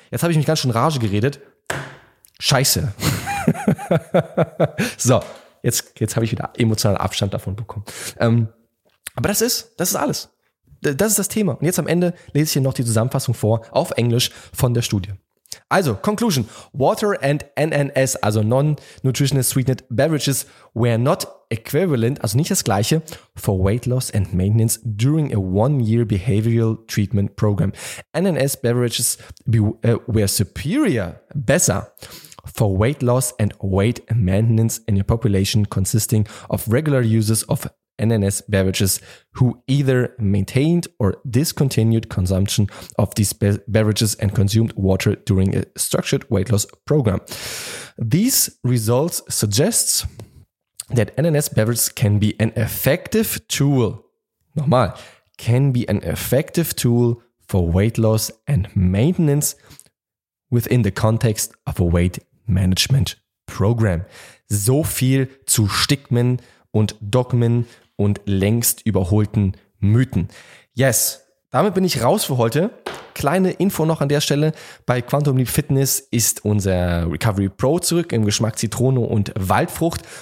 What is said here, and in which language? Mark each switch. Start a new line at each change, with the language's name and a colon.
German: Jetzt habe ich mich ganz schön rage geredet. Scheiße. So, jetzt habe ich wieder emotionalen Abstand davon bekommen. Aber das ist alles. Das ist das Thema. Und jetzt am Ende lese ich hier noch die Zusammenfassung vor, auf Englisch von der Studie. Also, Conclusion.
English: Water and NNS, also Non-Nutritional Sweetened Beverages, were not equivalent,
German: also nicht das gleiche,
English: for weight loss and maintenance during a one-year behavioral treatment program. NNS beverages were superior, besser, for weight loss and weight maintenance in a population consisting of regular users of NNS beverages who either maintained or discontinued consumption of these beverages and consumed water during a structured weight loss program. These results suggest that NNS beverages can be an effective tool.
German: Nochmal,
English: can be an effective tool for weight loss and maintenance within the context of a weight management program.
German: So viel zu Stigmen und Dogmen und längst überholten Mythen. Yes, damit bin ich raus für heute. Kleine Info noch an der Stelle. Bei Quantum Leap Fitness ist unser Recovery Pro zurück im Geschmack Zitrone und Waldfrucht.